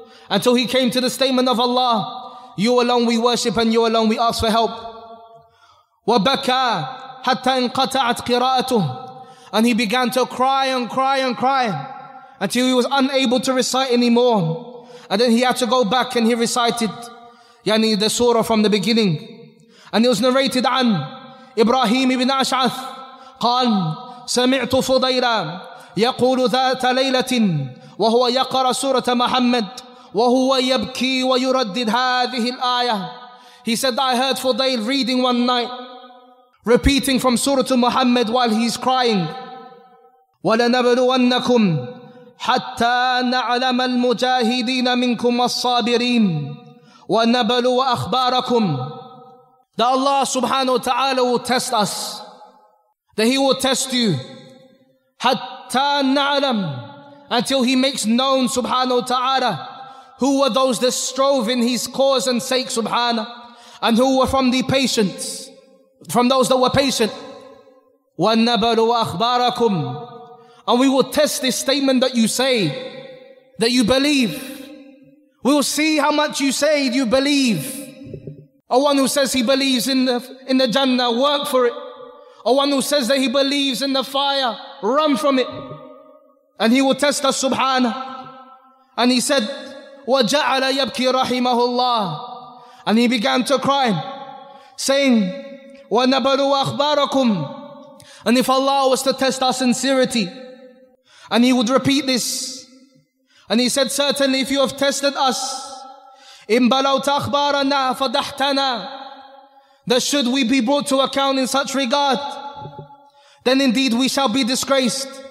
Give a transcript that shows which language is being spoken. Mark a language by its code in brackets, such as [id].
[en] until he came to the statement of Allah, you alone we worship and you alone we ask for help. [ar] وَبَكَى حَتَّى انْقَطَعَتْ قِرَاءَتُهُ. [en] And he began to cry and cry and cry until he was unable to recite anymore. And then he had to go back and he recited يعني the surah from the beginning. And it was narrated [ar] عن إبراهيم بن أشعث قال سمعت فضيلا يقول ذات ليلة وهو يقرأ سورة محمد وهو يبكي ويردد هذه الآية. [en] He said, I heard Fudayl reading one night, repeating from Surah Muhammad while he's crying. [ar] وَلَنَبْلُوَنَّكُمْ حَتَّى نَعْلَمَ الْمُجَاهِدِينَ مِنْكُمْ وَالصَّابِرِينَ وَنَبْلُوَ أَخْبَارَكُمْ. [en] That Allah subhanahu wa ta'ala will test us, that He will test you. [ar] حَتَّى نَعْلَمْ, [en] until He makes known subhanahu wa ta'ala who were those that strove in His cause and sake subhanahu, and who were from the patients, from those that were patient. [ar] وَنَبْلُوَ أَخْبَارَكُمْ. [en] And we will test this statement that you say, that you believe. We will see how much you say you believe. Or one who says he believes in the Jannah, work for it. Or one who says that he believes in the fire, run from it. And he will test us, subhanah. And he said, [ar] وَجَعَلَ يَبْكِي رَحِمَهُ اللَّهِ. [en] And he began to cry, saying, [ar] وَنَبَلُوا أَخْبَارَكُمْ. [en] And if Allah was to test our sincerity, and He would repeat this, and He said, certainly if you have tested us, [ar] إِن بَلَوْتَ أَخْبَارَنَا فَدَحْتَنَا, [en] that should we be brought to account in such regard, then indeed we shall be disgraced.